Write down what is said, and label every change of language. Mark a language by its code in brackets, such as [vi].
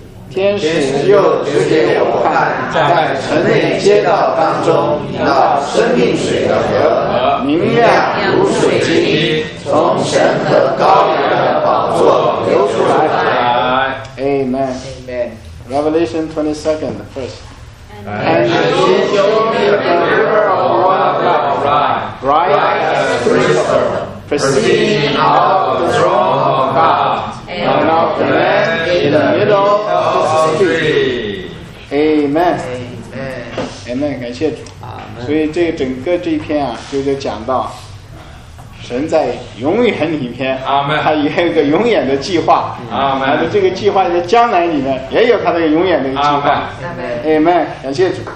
[zh] 天使又指给我看，在城内街道当中，一道生命水的河，明亮如水晶，从神和羔羊的宝座流出来。 [en] Amen。 Revelation 22:1。 And you show me the river of water, bright as crystal, proceeding out of the throne of God, and of the Lamb in the middle. Amen。 Amen。 [zh] Amen。 感谢主。所以这整个这一篇啊，就讲到神在永远里面。 [en] Amen。 [zh] 他也有个永远的计划。 [en] Amen。 [zh] 而且这个计划在将来里面也有他的永远的计划。 [en] Amen。 [zh] Amen。 感谢主。